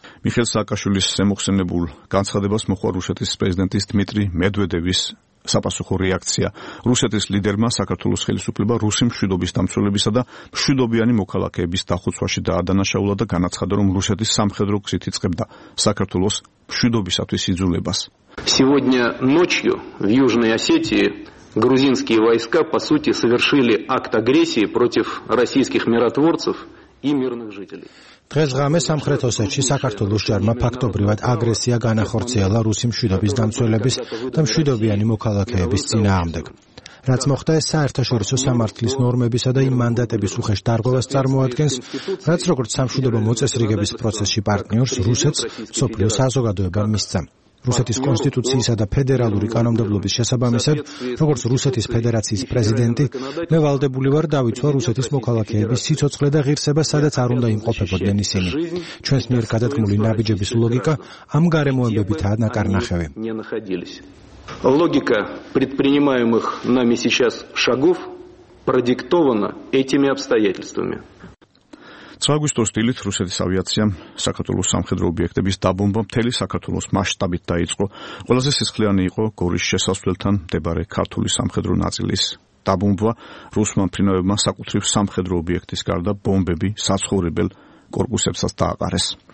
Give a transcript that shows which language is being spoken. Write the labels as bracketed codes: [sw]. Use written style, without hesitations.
[ka] მიხეილ სააკაშვილის შემოხსენებულ განცხადებას მოყვა რუსეთის პრეზიდენტის დმიტრი მედვედევის საპასუხო რეაქცია. რუსეთის ლიდერმა საქართველოს ხელისუფლება რუსი მშვიდობის დამცველებისა და მშვიდობიანი მოქალაქეების დახოცვაში დაადანაშაულა და განაცხადა, რომ რუსეთის სამხედრო გზით იწყებდა საქართველოს მშვიდობისათვის იძულებას. [ru] Сегодня ночью в Южной Осетии грузинские войска по сути совершили акт агрессии против российских миротворцев и мирных жителей. [ka] დღეს ღამე სამხრეთ ოსეთში საქართველოს ჯარმა ფაქტობრივად აგრესია განახორციელა რუსი მშვიდობის დამცველების და მშვიდობიანი მოქალაქეების წინააღმდეგ. რაც მოხდა, ეს საერთაშორისო სამართლის ნორმებისა და იმ მანდატების უხეშ დარღვევას წარმოადგენს, რაც როგორც სამშვიდობო მოწესრიგების პროცესში პარტნიორს რუსეთს მსოფლიო საზოგადოება მისცა. რუსეთის კონსტიტუციისა და ფედერალური კანონმდებლობის შესაბამისად, როგორც რუსეთის ფედერაციის პრეზიდენტი, მე ვალდებული ვარ დავიცვა რუსეთის მოქალაქეების სიცოცხლე და ღირსება, სადაც არ უნდა იმყოფებოდნენ ისინი. ჩვენს მიერ გადადგმული ნაბიჯების ლოგიკა ამ გარემოებებითაა ნაკარნახევი. [ru] Логика предпринимаемых нами сейчас шагов продиктована этими обстоятельствами. [ka] 8 აგვისტოს დილით რუსეთის ავიაციამ საქართველოს სამხედრო ობიექტების დაბომბვა მთელი საქართველოს მასშტაბით დაიწყო. ყველაზე სისხლიანი იყო გორის შესასვლელთან მდებარე ქართული სამხედრო ნაწილის დაბომბვა. რუსმა ფრინველებმა საკუთრივ სამხედრო ობიექტის გარდა ბომბები საცხოვრებელ კორპუსებსაც დააყარეს.